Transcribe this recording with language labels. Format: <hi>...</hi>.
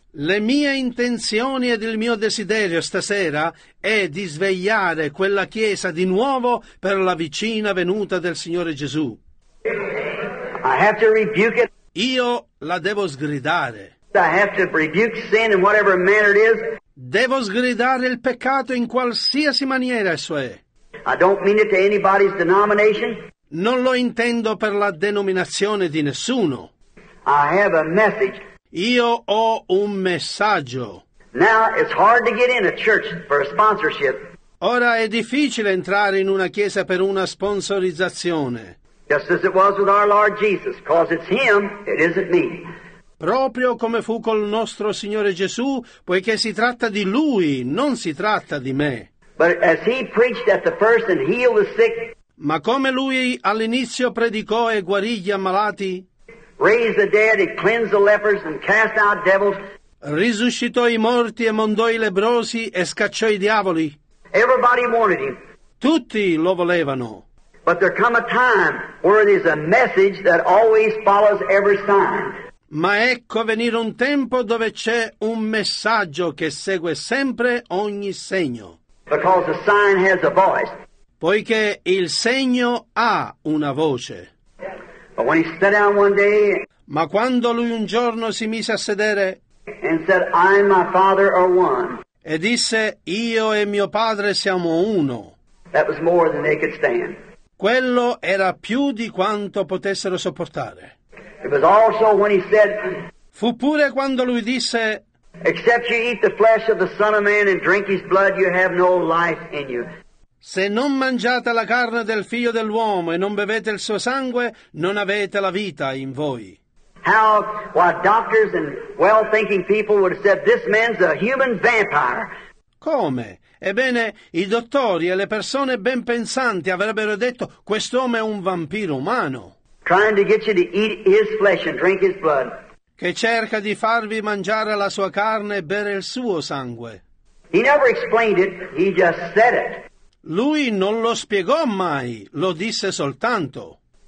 <it>Le mie intenzioni ed il mio desiderio stasera è di svegliare quella Chiesa di nuovo per la vicina venuta del Signore Gesù.</it> <en>I have to rebuke it.</en> <it>Io la devo sgridare.</it> <en>I have to rebuke sin in whatever manner it is.</en> <it>Devo sgridare il peccato in qualsiasi maniera esso è.</it> <en>I don't mean it to anybody's denomination.</en> <it>Non lo intendo per la denominazione di nessuno.</it> <en>I have a message.</en> <it>Io ho un messaggio.</it> <en>Now it's hard to get in a church for a sponsorship.</en> <it>Ora è difficile entrare in una chiesa per una sponsorizzazione.</it> <en>Just as it was with our Lord Jesus, because it's Him, it isn't me.</en> <it>Proprio come fu col nostro Signore Gesù, poiché si tratta di Lui, non si tratta di me.</it> <en>But as he preached at the first and healed the sick,</en> <it>ma come Lui all'inizio predicò e guarì gli ammalati,</it> <en>raised the dead and cleansed the lepers and cast out devils,</en> <it>risuscitò i morti e mondò i lebbrosi e scacciò i diavoli,</it> <en>everybody wanted him.</en> <it>Tutti lo volevano.</it> <en>But there come a time where it is a message that always follows every sign.</en> <it>Ma ecco venire un tempo dove c'è un messaggio che segue sempre ogni segno.</it> <en>Because the sign has a voice.</en> <it>Poiché il segno ha una voce.</it> <en>But when he sat down one day,</en> <it>ma quando lui un giorno si mise a sedere</it> <en>and said, I and my father are one.</en> <it>E disse, io e mio padre siamo uno.</it> <en>That was more than they could stand.</en> <it>Quello era più di quanto potessero sopportare.</it> <en>It was also when he said,</en> <it>fu pure quando lui disse,</it> <en>except you eat the flesh of the Son of Man and drink his blood, you have no life in you.</en> <it>Se non mangiate la carne del Figlio dell'uomo e non bevete il suo sangue, non avete la vita in voi.</it> <en>How, why doctors and well-thinking people would have said, this man's a human vampire.</en> <it>Come? Ebbene, i dottori e le persone ben pensanti avrebbero detto, quest'uomo è un vampiro umano.</it> <en>Trying to get you to eat his flesh and drink his blood.</en> <it>Che cerca di farvi mangiare la sua carne e bere il suo sangue.</it> <en>He never explained it, he just said it.</en> <it>Lui non lo spiegò mai, lo disse soltanto.</it>